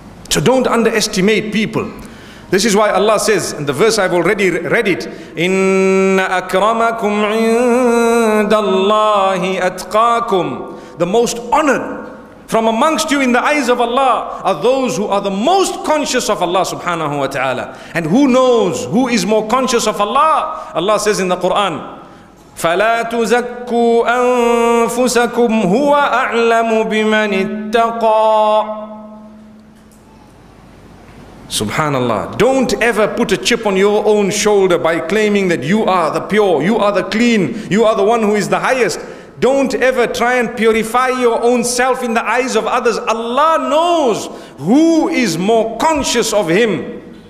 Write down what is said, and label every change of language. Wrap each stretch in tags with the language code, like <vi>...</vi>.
<en>So don't underestimate people. This is why Allah says, and the verse I've already read it,</en> <ar>إِنَّ أَكْرَمَكُمْ عِنْدَ اللَّهِ أَتْقَاكُمْ.</ar> <en>The most honored from amongst you in the eyes of Allah are those who are the most conscious of Allah subhanahu wa ta'ala. And who knows who is more conscious of Allah? Allah says in the Quran,</en> <ar>فَلَا تُزَكُّوا أَنفُسَكُمْ هُوَ أَعْلَمُ بِمَنِ اتَّقَى.</ar> <en>Subhanallah, don't ever put a chip on your own shoulder by claiming that you are the pure, you are the clean, you are the one who is the highest. Don't ever try and purify your own self in the eyes of others. Allah knows who is more conscious of Him.</en>